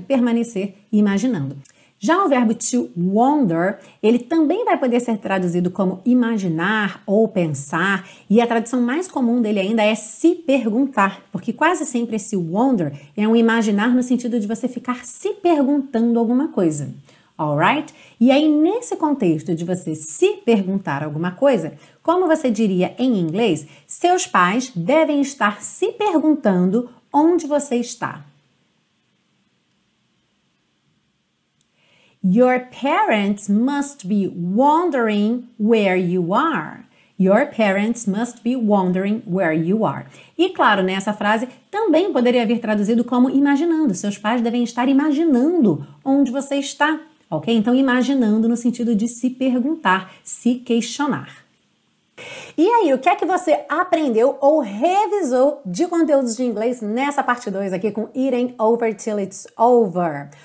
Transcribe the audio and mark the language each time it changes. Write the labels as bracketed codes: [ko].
[pt] Permanecer imaginando. Já o verbo to wander, ele também vai poder ser traduzido como imaginar ou pensar, e a tradução mais comum dele ainda é se perguntar, porque quase sempre esse wander é um imaginar no sentido de você ficar se perguntando alguma coisa, alright? E aí, nesse contexto de você se perguntar alguma coisa, como você diria em inglês, seus pais devem estar se perguntando onde você está. [en] Your parents must be wondering where you are. Your parents must be wondering where you are. [pt] E claro, nessa frase também poderia vir traduzido como imaginando. Seus pais devem estar imaginando onde você está, ok? Então, imaginando no sentido de se perguntar, se questionar. E aí, o que é que você aprendeu ou revisou de conteúdos de inglês nessa parte 2 aqui com It Ain't Over Till It's Over?